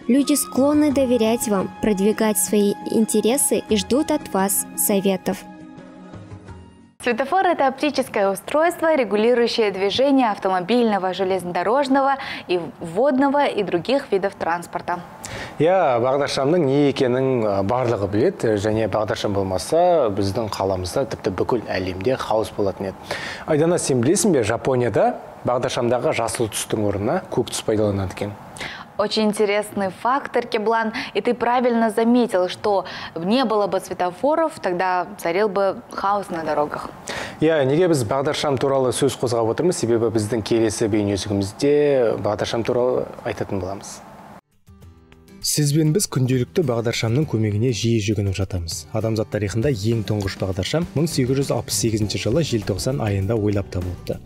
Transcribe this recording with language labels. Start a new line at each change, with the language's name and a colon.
Russian: Люди склонны доверять вам, продвигать свои интересы и ждут от вас советов. Светофор – это оптическое устройство, регулирующее движение автомобильного, железнодорожного и водного и других видов транспорта.
Kazakh: Я бағдаршамның не екенің барлығы білет, және бағдаршам болмаса, біздің қаламызда тіпті бүкіл әлемде хаос болатын еді. Айдана, сен білесің бе, Жапонияда бағдаршамдағы жасыл түстің орнына көк түс пайдаланады екен.
Russian: Очень интересный факт, Аркеблан, и ты правильно заметил, что не было бы светофоров, тогда царил бы хаос на дорогах.
Kazakh: Я неге біз бағдаршам туралы сөз қозғап отырмыз, себебі біздің келесі бейнесігімізде бағдаршам туралы айтатын боламыз. Сізбен біз күнделікті бағдаршамның көмегіне жиі жүгініп жатамыз. Адамзат тарихында ең тұңғыш бағдаршам 1868 жылы желтоқсан айында ойлап табылыпты.